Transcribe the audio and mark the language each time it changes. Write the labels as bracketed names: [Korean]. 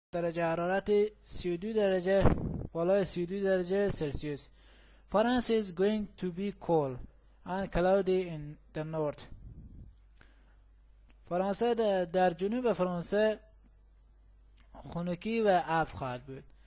[Persian] درجه حرارت 32 درجه، بالای 32 درجه سلسیوس. [English] France is going to be cold and cloudy in the north. [Persian] فرانسه در جنوب فرانسه خنکی و ابر خواهد بود.